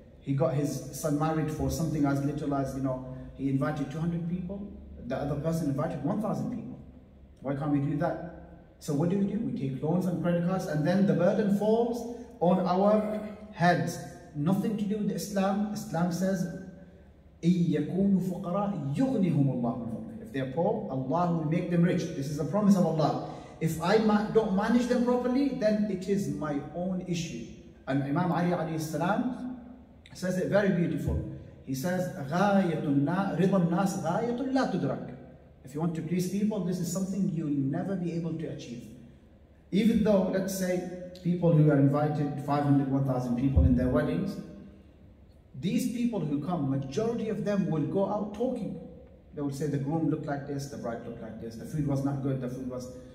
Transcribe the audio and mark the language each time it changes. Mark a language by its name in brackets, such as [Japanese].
[English] He got his son married for something as little as, you know, he invited 200 people, the other person invited 1,000 people. Why can't we do that? So what do? We take loans and credit cards, and then the burden falls on our heads. nothing to do with Islam. [Arabic] Islam says, إِن يَكُونُ فُقَرَى يُغْنِهُمُ اللَّهُ مِنْ فَضْلِهِ. [English] If they're poor, Allah will make them rich. This is a promise of Allah. If I don't manage them properly, then it is my own issue. And Imam Ali alayhi salam says it very beautiful. [Arabic] He says, رِضَ النَّاسِ غَايَةٌ لَا تُدْرَكُ. [English] If you want to please people, this is something you'll never be able to achieve. Even though, let's say, people who are invited, 500, 1,000 people in their weddings, these people who come, majority of them will go out talking. They will say, the groom looked like this, the bride looked like this, the food was not good, the food was...